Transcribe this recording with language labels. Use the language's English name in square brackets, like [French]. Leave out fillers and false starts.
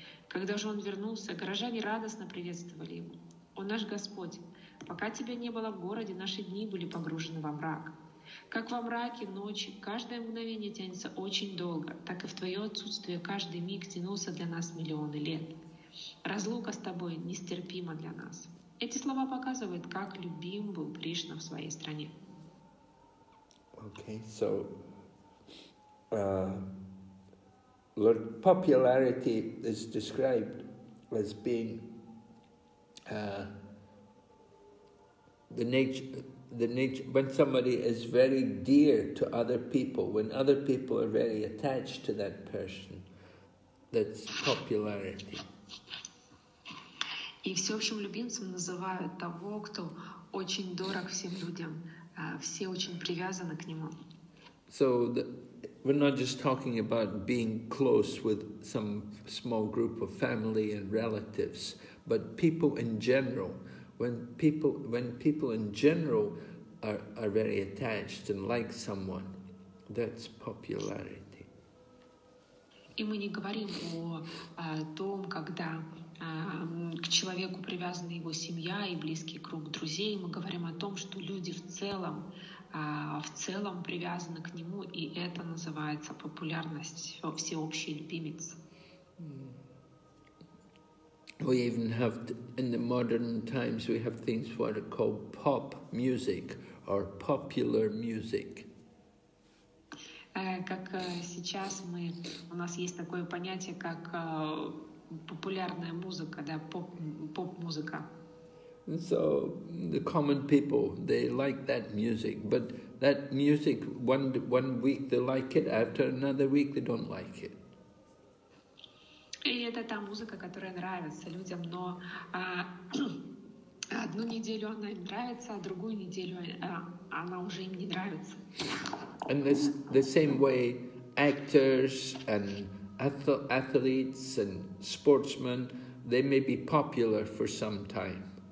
[Russian] Когда же он вернулся, горожане радостно приветствовали его. «О наш Господь, пока тебя не было в городе, наши дни были погружены во мрак. Как во мраке ночи каждое мгновение тянется очень долго, так и в твое отсутствие каждый миг тянулся для нас миллионы лет. Разлука с тобой нестерпима для нас». Эти слова показывают, как любим был Кришна в своей стране. [English] Okay, so, Lord, popularity is described as being the nature when somebody is very dear to other people, when other people are very attached to that person, that's popularity. [Russian] И всеобщим любимцем называют того, кто очень дорог всем людям, все очень привязаны к нему. [English] So we're not just talking about being close with some small group of family and relatives, but people in general, when people in general are very attached and like someone, that's popularity. [Russian] И мы не говорим о том, когда к человеку привязана его семья и близкий круг друзей. Мы говорим о том, что люди в целом привязаны к нему, и это называется популярность, всеобщий любимец. [English] We even have, in the modern times, we have things what are called pop music or popular music. [Russian] Как сейчас мы, у нас есть такое понятие, как популярная музыка, да, поп-музыка. [English] So, the common people, they like that music, but that music, one week they like it, after another week they don't like it. [Russian] И это та музыка, которая нравится людям, но одну неделю она им нравится, а другую неделю она уже им не нравится. [English] And this, the same way actors and athletes and sportsmen, they may be popular for some time.